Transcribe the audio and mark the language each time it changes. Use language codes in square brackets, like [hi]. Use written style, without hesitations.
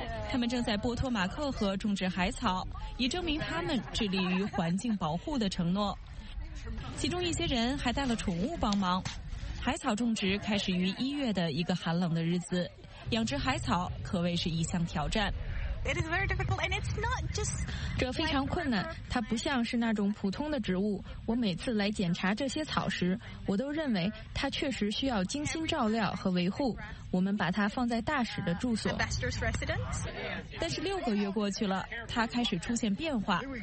[zh] 他们正在波托马克河种植海草，以证明他们致力于环境保护的承诺。其中一些人还带了宠物帮忙。海草种植开始于一月的一个寒冷的日子，养殖海草可谓是一项挑战。 [en] It is very difficult, and it's not just. [zh] 这非常困难，它不像是那种普通的植物。我每次来检查这些草时，我都认为它确实需要精心照料和维护。我们把它放在大使的住所。但是六个月过去了，它开始出现变化。